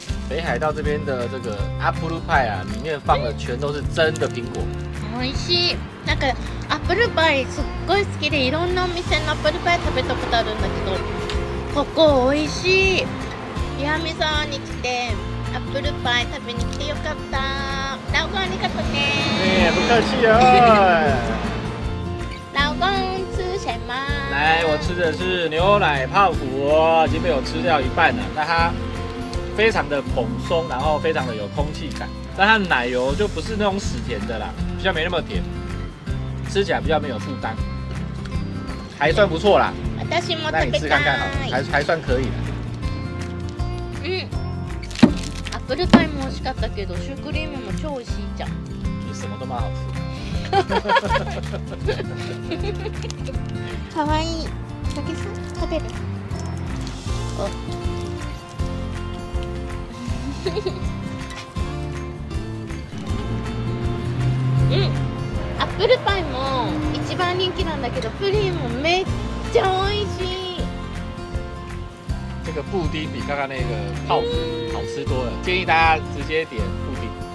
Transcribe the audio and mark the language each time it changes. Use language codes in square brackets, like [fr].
[zh] 北海道这边的这个アップルパイ啊，里面放的全都是真的苹果。 [ja] 美味しい。なんかアップルパイすっごい好きで、いろんなお店のアップルパイ食べたことあるんだけど、ここ美味しい。やみさんに来てアップルパイ食べに来てよかった。 [zh] 老公，你看不见。哎，不客气哦。老公吃什么？来，我吃的是牛奶泡芙，已经被我吃掉一半了。但它非常的蓬松，然后非常的有空气感，但它奶油就不是那种死甜的啦，比较没那么甜，吃起来比较没有负担，还算不错啦。 [ja] 私も食べたい。 [zh] 那你吃看看好了，还算可以啦。 [ja] アップルパイも美味しかったけど、シュークリームも超美味しいじゃん。 [zh] 就什么都蛮好吃。 [ja] 可愛い。かけさん、食べる。お。うん。アップルパイも一番人気なんだけど、プリンもめっちゃ美味しい。 [zh] 这个布丁比刚刚那个泡芙好吃多了，建议大家直接点布丁。